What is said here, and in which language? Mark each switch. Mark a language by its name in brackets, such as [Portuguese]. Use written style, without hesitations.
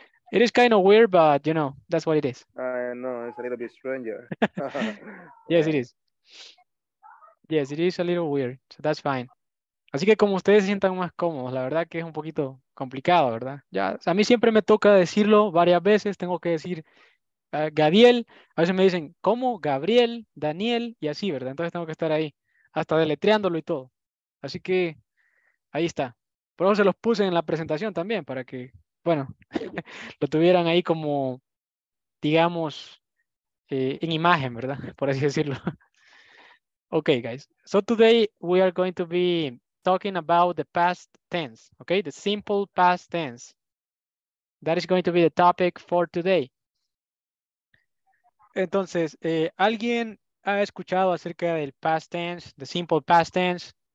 [English] It is kind of weird, but you know, that's what it is. No, it's a little bit stranger. Yes, it is. Yes, it is a little weird, so that's fine. [Spanish] Así que como ustedes se sientan más cómodos, la verdad que es un poquito complicado, ¿verdad? Ya, o sea, a mí siempre me toca decirlo varias veces, tengo que decir Gadiel, a veces me dicen, ¿cómo? Gabriel, Daniel, y así, ¿verdad? Entonces tengo que estar ahí, hasta deletreándolo y todo. Así que, ahí está. Por eso se los puse en la presentación también, para que, bueno, lo tuvieran ahí como, digamos, en imagen, ¿verdad? Por así decirlo. [English] Okay, guys. So today we are going to be talking about the past tense. Okay, the simple past tense. That is going to be the topic for today. [Spanish] Entonces, ¿alguien ha escuchado acerca del past tense, [English] the simple past tense?